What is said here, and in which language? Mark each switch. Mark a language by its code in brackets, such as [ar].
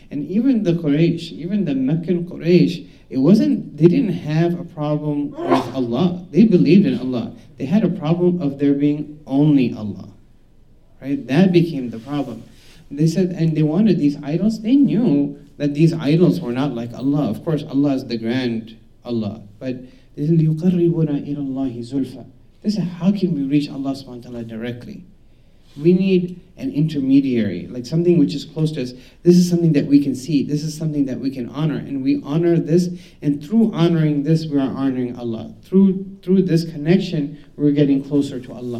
[en] And even the Quraysh, even the Meccan Quraysh, they didn't have a problem with Allah. They believed in Allah. They had a problem of there being only Allah, right? That became the problem. They said, and they wanted these idols. They knew that these idols were not like Allah. Of course, Allah is the grand Allah. But they said, [ar] لِيُقَرِّبُنَا إِلَى اللَّهِ زُلْفًا. [en] They said, how can we reach Allah subhanahu wa ta'ala directly? We need an intermediary, like something which is close to us. This is something that we can see. This is something that we can honor. And we honor this. And through honoring this, we are honoring Allah. Through this connection, we're getting closer to Allah.